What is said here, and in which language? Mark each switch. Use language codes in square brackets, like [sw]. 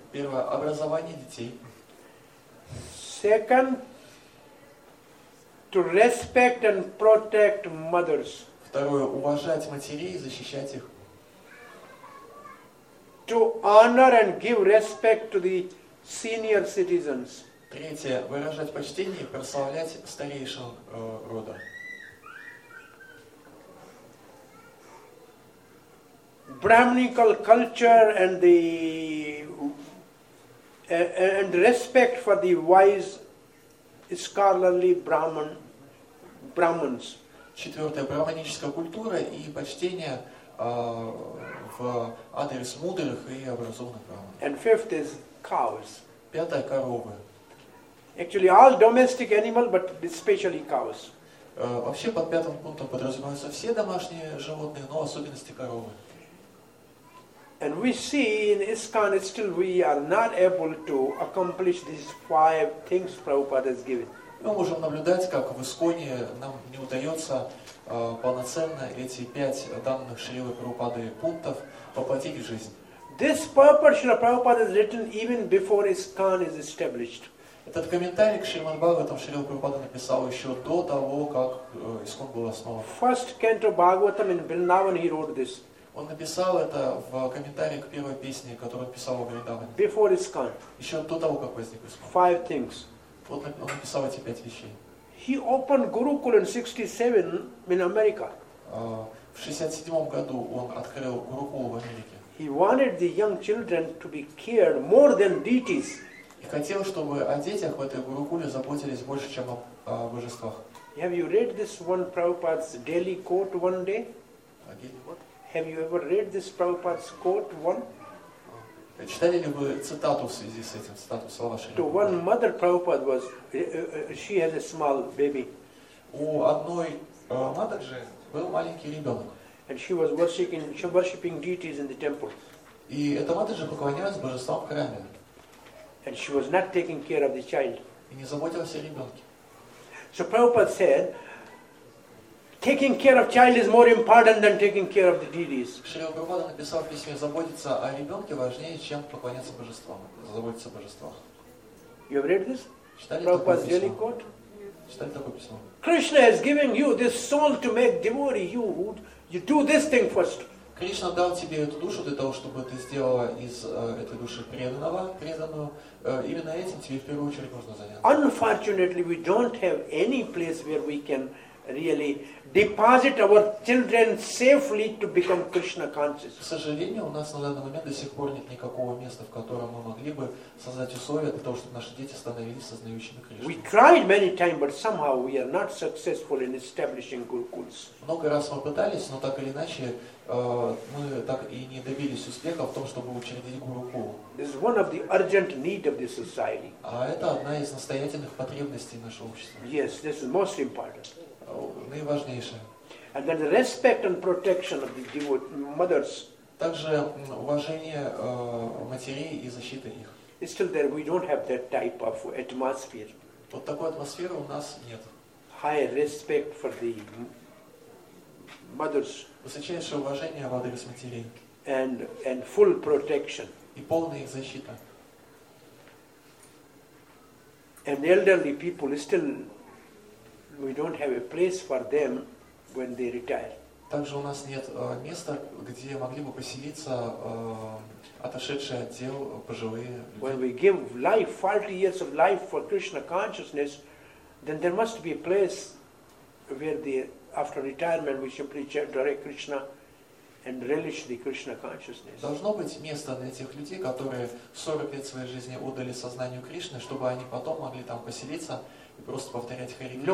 [ru] Первое, образование детей. [en] Second, to respect and protect mothers. [ru] Второе, уважать матерей и защищать их. [en] To honor and give respect to the senior citizens. [ru] Третье, выражать почтение и прославлять старейшин рода. [en] Brahminical culture and the and respect for the wise scholarly Brahmins. [ru] Четвертое, брахманическая культура и почтение в адрес мудрых и образованных брахман. [en] And fifth is cows. [ru] Пятое, коровы. [en] Actually, all domestic animal, but especially cows. [ru] Вообще под пятым пунктом подразумеваются все домашние животные, но в особенности коровы. [en] And we see in ISKCON still we are not able to accomplish these five things Prabhupada has given. [ru] Мы можем наблюдать, как в ИСККОНе нам не удается полноценно эти пять данных Шрилы Прабхупады пунктов воплотить в жизнь. [en] This purport Shrila Prabhupada has written even before ISKCON is established. [ru] Этот комментарий к Шриман Бхагаватам Шрила Прабхупада написал еще до того, как ИСККОН был основан. [en] First canto Bhagavatam in Vrindavan he wrote this. [ru] Он написал это в комментарии к первой песне, которую он писал в Вриндаване. [en] Before ISKCON. [ru] Еще до того, как возник ИСККОН. [en] Five things. [ru] Вот он написал эти пять вещей. [en] He opened Gurukul in 67 in America. [ru] В 67 году он открыл Гурукул в Америке. [en] He wanted the young children to be cared more than deities. [ru] И хотел, чтобы о детях в этой Гурукуле заботились больше, чем о божествах. [en] Have you read this one Prabhupada's daily quote one day? Again, what? Have you ever read this Prabhupada's quote one? [ru] Читали ли вы цитату в связи с этим, цитату слова Шрилы? [en] To one mother Prabhupada was, she had a small baby. [ru] У одной матери был маленький ребенок. [en] And she was worshipping deities in the temple. [ru] И эта матери поклонялась божествам в храме. [en] And she was not taking care of the child. [ru] И не заботилась о ребенке. [en] So Prabhupada said, taking care of child is more important than taking care of the deities. [ru] Шрила Прабхупада написал в письме, заботиться о ребенке важнее, чем поклоняться божествам, заботиться о божествах. [en] You have read this? [ru] Читали [en] Prabhupada's daily quote? Yes. [ru] Читали такое письмо? [en] Krishna has given you this soul to make devotee. You do this thing first. [ru] Кришна дал тебе эту душу для того, чтобы ты сделала из этой души преданную. Именно этим тебе в первую очередь нужно заняться. [en] Unfortunately, we don't have any place where we can really deposit our children safely to become Krishna conscious. [ru] К сожалению, у нас на данный момент до сих пор нет никакого места, в котором мы могли бы создать условия для того, чтобы наши дети становились сознающими Кришну. [en] We tried many times, but somehow we are not successful in establishing gurukuls. [ru] Много раз мы пытались, но так или иначе мы так и не добились успеха в том, чтобы учредить гурукул. [en] This is one of the urgent need of the society. [ru] А это одна из настоятельных потребностей нашего общества. [en] Yes, this is most important. [ru] Наиважнейшее. [en] And then the respect and protection of the devotees, mothers. [ru] Также уважение матерей и защита их. [en] Still there, we don't have that type of atmosphere. [ru] Вот такой атмосферы у нас нет. [en] High respect for the mothers. [ru] Высочайшее уважение в адрес матерей. [en] And full protection. [ru] И полная их защита. [en] And elderly people still. We don't have a place for them when they retire. [ru] Также у нас нет места, где могли бы поселиться отошедшие от дел пожилые люди. [en] When we give life, 40 years of life for Krishna consciousness, then there must be a place where the after retirement we simply direct Krishna and relish the Krishna consciousness. [ru] Должно быть место для этих людей, которые 40 лет своей жизни отдали сознанию Кришны, чтобы они потом могли там поселиться. Просто повторять Харе Кришна.